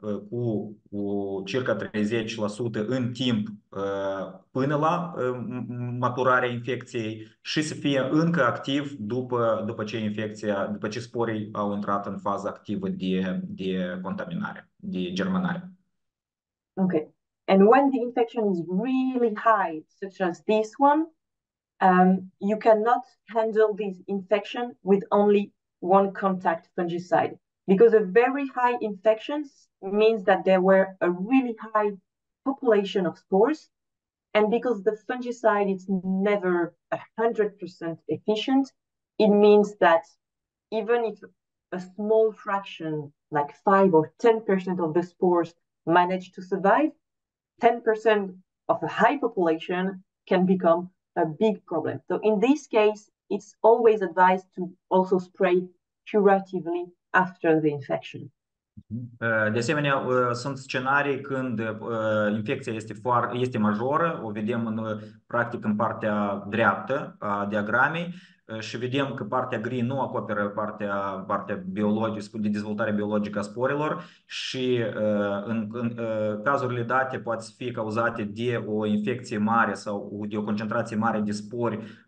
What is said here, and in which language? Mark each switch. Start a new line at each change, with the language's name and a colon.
Romanian: cu circa 30% în timp până la maturarea infecției și să fie încă activ după ce sporii au intrat în faza activă de contaminare, de germinare.
English: Okay, and when the infection is really high, such as this one, you cannot handle this infection with only one contact fungicide, because a very high infection means that there were a really high population of spores, and because the fungicide is never 100% efficient, it means that even if a small fraction, like 5 or 10% of the spores manage to survive, 10% of a high population can become a big problem. So in this case, it's always advised to also spray curatively after the infection.
Romanian: De asemenea, sunt scenarii când infecția este majoră, o vedem practic în partea dreaptă a diagramei, și vedem că partea gri nu acoperă partea biologică, de dezvoltare biologică a sporilor, și în cazurile date poate fi cauzate de o infecție mare sau de o concentrație mare de spori